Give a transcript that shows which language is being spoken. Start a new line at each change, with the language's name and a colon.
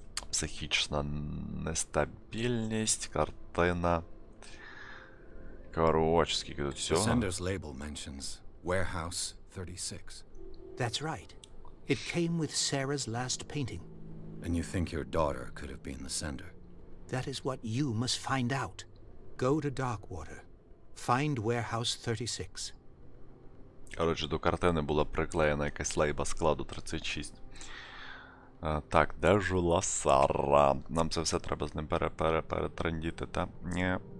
Ukrainian: Психічна нестабільність, картина. Коротше, скільки тут всього.
English: The sender's label mentions warehouse 36. That's right. It came with Sarah's last painting. And you think your daughter could have been the sender? That is what you must find out. Go to Darkwater. Find Warehouse 36.
Ukrainian: Отже, до картини була приклеєна якась лейба складу 36. Так, де ж Ласара? Нам це все треба з ним перетрендіти, та? Ні.